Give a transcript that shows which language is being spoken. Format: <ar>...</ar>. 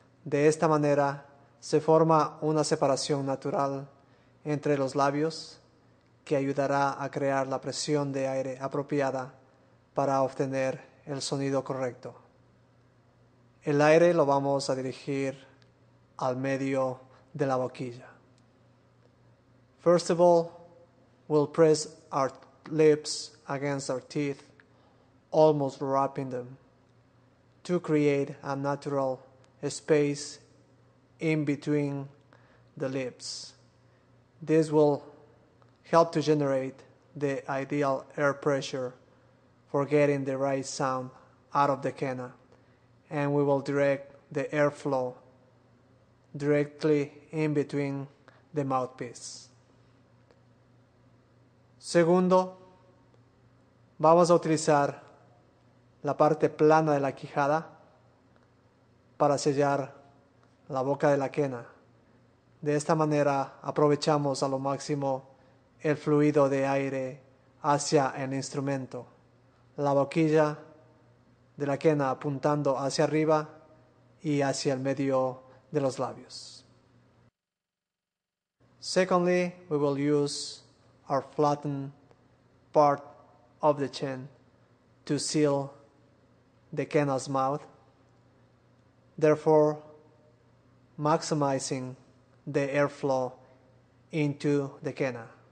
<es>De esta manera, se forma una separación natural entre los labios que ayudará a crear la presión de aire apropiada para obtener el sonido correcto. El aire lo vamos a dirigir al medio de la boquilla.</es> <en>First of all, we'll press our lips against our teeth, almost wrapping them, to create a natural space in between the lips. This will help to generate the ideal air pressure for getting the right sound out of the canna, and we will direct the airflow directly in between the mouthpiece.</en> <es>Segundo, vamos a utilizar la parte plana de la quijada para sellar la boca de la quena. De esta manera, aprovechamos a lo máximo el fluido de aire hacia el instrumento. La boquilla de la quena apuntando hacia arriba y hacia el medio de los labios.</es> <en>Secondly, we will use our flattened part of the chin to seal the quena's mouth, therefore maximizing the airflow into the quena.</en>